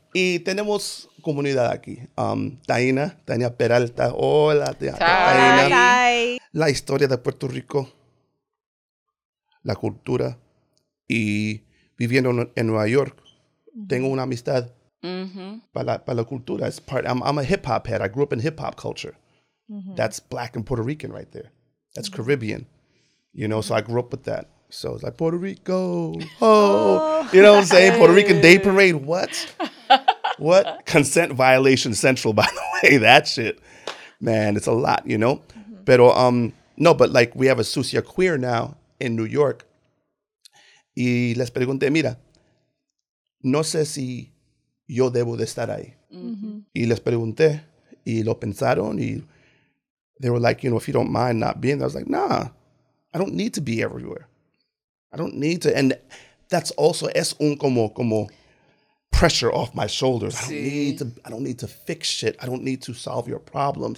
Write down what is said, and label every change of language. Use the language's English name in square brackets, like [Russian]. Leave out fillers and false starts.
[Spanish] Y tenemos comunidad aquí. Tania Peralta. Hola, Tania. [English] Hi. [Spanish] La historia de Puerto Rico, la cultura y viviendo en Nueva York. Tengo una amistad, mm-hmm, para la cultura. [English] It's part, I'm a hip hop head. I grew up in hip hop culture. Mm-hmm. That's black and Puerto Rican right there. That's, mm-hmm, Caribbean. You know, mm-hmm, so I grew up with that. So it's like Puerto Rico. Oh, you know what I'm saying? Puerto Rican Day Parade. What? What? Consent Violation Central, by the way. That shit. Man, it's a lot, you know? Mm-hmm. [Spanish] Pero, no, [English] but like, we have a Sucia Queer now in New York. [Spanish] Y les pregunté, mira, no sé si yo debo de estar ahí. Mm-hmm. Y les pregunté, y lo pensaron, y [English] they were like, you know, if you don't mind not being there, I was like, nah, I don't need to be everywhere. I don't need to. And that's also, [Spanish] es un como [English] pressure off my shoulders. [Spanish] Sí. [English] I don't need to fix shit. I don't need to solve your problems.